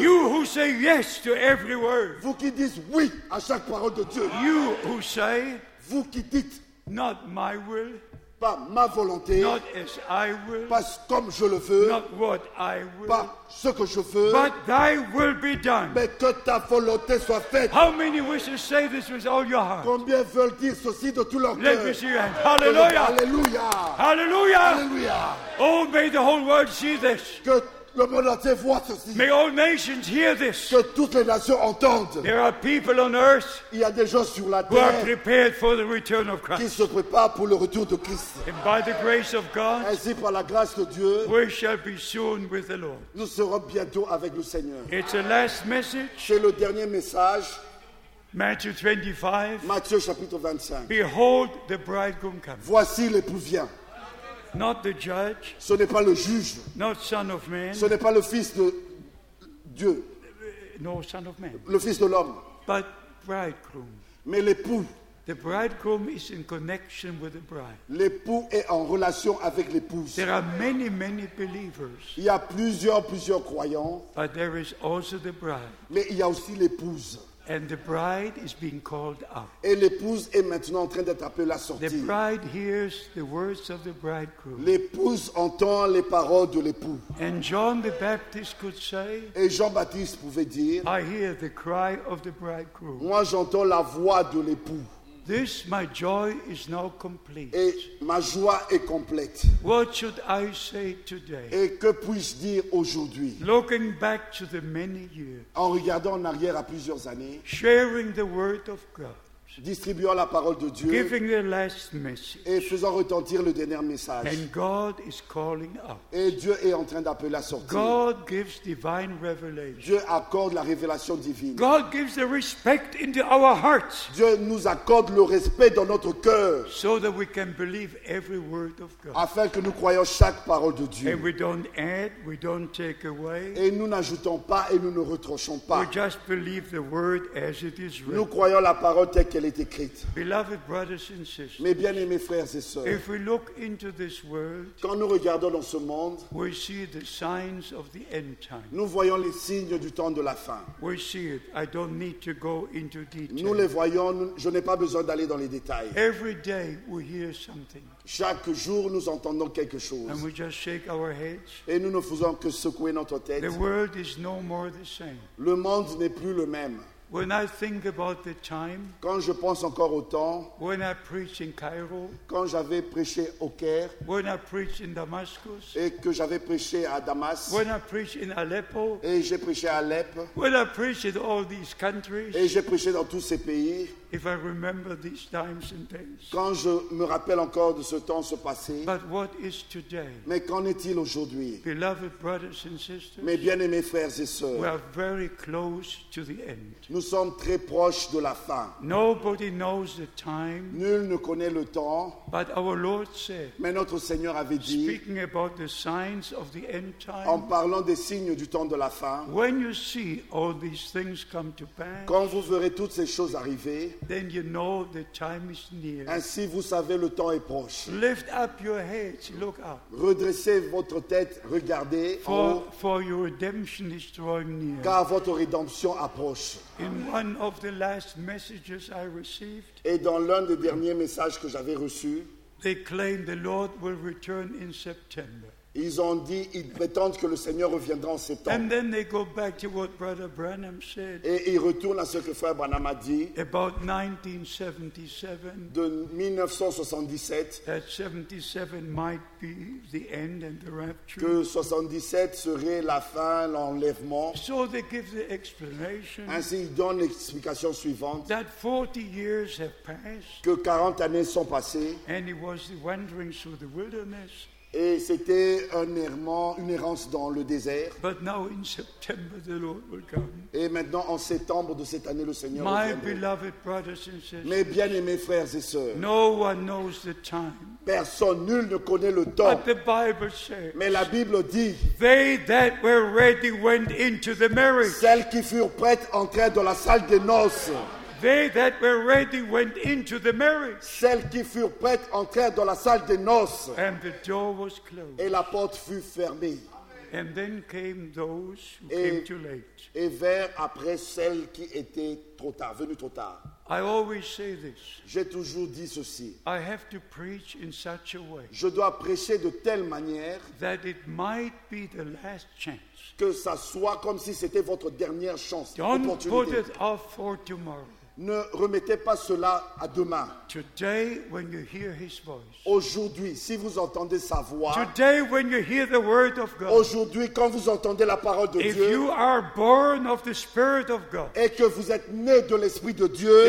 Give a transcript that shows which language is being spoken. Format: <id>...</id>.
<en>You who say yes to every word.</en> <fr>Vous qui dites oui à chaque parole de Dieu.</fr> <en>You who say.</en> <fr>Vous qui dites.</fr> <en>Not my will.</en> <fr>Pas ma volonté,</fr> <en>not as I will,</en> <fr>pas comme je le veux,</fr> <en>not what I will,</en> <fr>pas ce que je veux,</fr> <en>but thy will be done.</en> <fr>Mais que ta volonté soit faite.</fr> <en>How many wish to say this with all your heart?</en> <fr>Combien veulent dire ceci de tout leur cœur?</fr> <en>Let me see your hand. Hallelujah. Hallelujah. Hallelujah. Hallelujah. Oh, may the whole world see this.</en> <fr>Que le monde entier voit ceci.</fr> <en>May all nations hear this.</en> <fr>Que toutes les nations entendent.</fr> <en>There are people on earth.</en> <fr>Il y a des gens sur la terre.</fr> <en>Who are prepared for the return of Christ.</en> <fr>Qui se préparent pour le retour de Christ.</fr> <en>And by the grace of God.</en> <fr>Ainsi par la grâce de Dieu.</fr> <en>We shall be soon with the Lord.</en> <fr>Nous serons bientôt avec le Seigneur.</fr> <en>It's the last message.</en> <fr>C'est le dernier message.</fr> <en>Matthew 25.</en> <fr>Matthieu chapitre 25.</fr> <en>Behold, the bridegroom comes.</en> <fr>Voici l'époux vient.</fr> <en>Not the judge.</en> <fr>Ce n'est pas le juge.</fr> <en>Not son of man.</en> <fr>Ce n'est pas le fils de Dieu.</fr> <en>No son of man.</en> <fr>Le fils de l'homme.</fr> <en>But bridegroom.</en> <fr>Mais l'époux.</fr> <en>The bridegroom is in connection with the bride.</en> <fr>L'époux est en relation avec l'épouse.</fr> <en>There are many, many believers.</en> <fr>Il y a plusieurs croyants.</fr> <en>But there is also the bride.</en> <fr>Mais il y a aussi l'épouse.</fr> <en>And the bride is being called up.</en> <fr>Et l'épouse est maintenant en train d'être appelée à sortir.</fr> <en>The bride hears the words of the bridegroom.</en> <fr>L'épouse entend les paroles de l'époux.</fr> <en>And John the Baptist could say.</en> <fr>Et Jean-Baptiste pouvait dire.</fr> <en>I hear the cry of the bridegroom.</en> <fr>Moi, j'entends la voix de l'époux.</fr> <en>This my joy is now complete.</en> <fr>Et ma joie est complète.</fr> <en>What should I say today?</en> <fr>Et que puis-je dire aujourd'hui?</fr> <en>Looking back to the many years.</en> <fr>En regardant en arrière à plusieurs années.</fr> <en>Sharing the word of God.</en> <fr>Distribuant la parole de Dieu.</fr> <en>Giving the last message.</en> <fr>Et faisant retentir le dernier message.</fr> <en>And God is calling out.</en> <fr>Et Dieu est en train d'appeler à sortir.</fr> <en>God gives divine revelation.</en> <fr>Dieu accorde la révélation divine.</fr> <en>God gives the respect into our hearts.</en> <fr>Dieu nous accorde le respect dans notre cœur.</fr> <en>So that we can believe every word of God.</en> <fr>Afin que nous croyions chaque parole de Dieu.</fr> <en>And we don't add, we don't take away.</en> <fr>Et nous n'ajoutons pas et nous ne retranchons pas.</fr> <en>We just believe the word as it is written.</en> <fr>Nous croyons la parole telle qu'elle est écrite.</fr> <en>Beloved brothers and sisters,</en> <fr>mes bien-aimés frères et sœurs,</fr> <en>if we look into this world,</en> <fr>quand nous regardons dans ce monde,</fr> <en>we see the signs of the end time.</en> <fr>Nous voyons les signes du temps de la fin.</fr> <en>We see it. I don't need to go into detail.</en> <fr>Nous les voyons, je n'ai pas besoin d'aller dans les détails.</fr> <en>Every day we hear something.</en> <fr>Chaque jour, nous entendons quelque chose.</fr> <en>And we just shake our heads.</en> <fr>Et nous ne faisons que secouer notre tête.</fr> <en>The world is no more the same.</en> <fr>Le monde n'est plus le même.</fr> <en>When I think about the time,</en> <fr>quand je pense encore au temps,</fr> <en>when I preach in Cairo,</en> <fr>quand j'avais prêché au Caire,</fr> <en>when I preach in Damascus,</en> <fr>et que j'avais prêché à Damas,</fr> <en>when I preach in Aleppo,</en> <fr>et j'ai prêché à Alep,</fr> <en>when I preach in all these countries,</en> <fr>et j'ai prêché dans tous ces pays,</fr> <en>if I remember these times and days,</en> <fr>quand je me rappelle encore de ce temps, ce passé,</fr> <en>but what is today?</en> <fr>Mais qu'en est-il aujourd'hui?</fr> <en>Beloved brothers and sisters,</en> <fr>mes bien-aimés frères et sœurs,</fr> <en>we are very close to the end.</en> <fr>Nous sommes très proches de la fin.</fr> <en>Nobody knows the time.</en> <fr>Nul ne connaît le temps.</fr> <en>But our Lord said,</en> <fr>mais notre Seigneur avait dit,</fr> <en>speaking about the signs of the end time,</en> <fr>en parlant des signes du temps de la fin,</fr> <en>when you see all these things come to pass,</en> <fr>quand vous verrez toutes ces choses arriver,</fr> <en>then you know the time is near.</en> <fr>Ainsi vous savez le temps est proche.</fr> <en>Lift up your head, look up.</en> <fr>Redressez votre tête, regardez</fr> <en>for,</en> <fr>en haut,</fr> <en>for your redemption is drawing near.</en> <fr>Car votre rédemption approche.</fr> <en>In one of the last messages I received,</en> <fr>et dans l'un des derniers messages que j'avais reçus,</fr> <en>they claim the Lord will return in September.</en> <fr>Ils ont dit, ils prétendent que le Seigneur reviendra en septembre.</fr> <en>And then they go back to what Brother Branham said,</en> <fr>et ils retournent à ce que Frère Branham a dit,</fr> <en>about 1977,</en> <fr>de 1977,</fr> <en>that 77 might be the end and the rapture.</en> <fr>Que 77 serait la fin, l'enlèvement.</fr> <en>So they give the explanation,</en> <fr>ainsi, ils donnent l'explication suivante,</fr> <en>that 40 years have passed,</en> <fr>que 40 années sont passées,</fr> <en>and he was wandering through the wilderness.</en> <fr>Et c'était une errance dans le désert.</fr> <en>But now in September the Lord will come.</en> <fr>Et maintenant, en septembre de cette année, le Seigneur reviendra.</fr> <en>My beloved brothers and sisters,</en> <fr>mes bien-aimés frères et sœurs,</fr> <en>no one knows the time.</en> <fr>Personne, nul ne connaît le temps.</fr> <en>But the Bible says,</en> <fr>mais la Bible dit,</fr> <en>they that were ready went into the marriage.</en> <fr>Celles qui furent prêtes entrèrent dans la salle des noces.</fr> <en>They that were ready went into the marriage.</en> <fr>Celles qui furent prêtes entrèrent dans la salle des noces.</fr> <en>And the door was closed.</en> <fr>Et la porte fut fermée.</fr> <en>And then came those who came too late.</en> <fr>Et vers après celles qui étaient trop tard, venues trop tard.</fr> <en>I always say this.</en> <fr>J'ai toujours dit ceci.</fr> <en>I have to preach in such a way.</en> <fr>Je dois prêcher de telle manière</fr> <en>that it might be the last chance.</en> <fr>Que ça soit comme si c'était votre dernière chance.</fr> <en>Don't put it off for tomorrow.</en> <fr>Ne remettez pas cela à demain.</fr> <en>Today, when you hear his voice,</en> <fr>aujourd'hui, si vous entendez sa voix,</fr> <en>today, when you hear the word of God,</en> <fr>aujourd'hui, quand vous entendez la parole de</fr> <en>if</en> <fr>Dieu,</fr> <en>you are born of the Spirit of God,</en> <fr>et que vous êtes né de l'Esprit de Dieu,</fr>